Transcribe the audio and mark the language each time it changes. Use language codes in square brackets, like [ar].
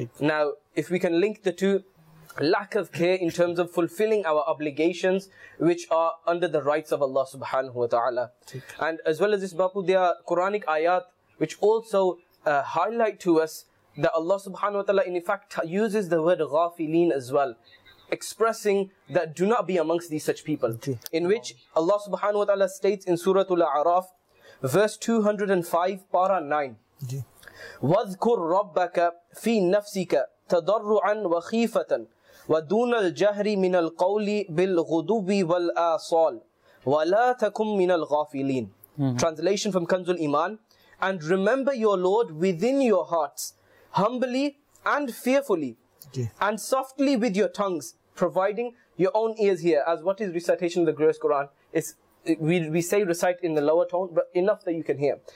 [en] Now, if we can link the two, lack of care in terms of fulfilling our obligations, which are under the rights of Allah subhanahu wa ta'ala. And as well as this, Bapu, there are Quranic ayat, which also highlight to us that Allah subhanahu wa ta'ala, in fact, uses the word ghafileen as well, expressing that do not be amongst these such people. In which Allah subhanahu wa ta'ala states in Surah Al-A'raf, verse 205, para 9, [ar] وَذْكُرْ رَبَّكَ فِي نَفْسِكَ تَضَرُّعًا وَخِيفَةً وَدُونَ الْجَهْرِ مِنَ الْقَوْلِ بِالْغُدُوِّ وَالْآصَالِ وَلَا تَكُمْ مِنَ الْغَافِلِينَ. [en] Translation from Kanzul Iman, and remember your Lord within your hearts, humbly and fearfully, and softly with your tongues, providing your own ears hear. As what is recitation of the glorious Quran? It's, we say recite in the lower tone, but enough that you can hear.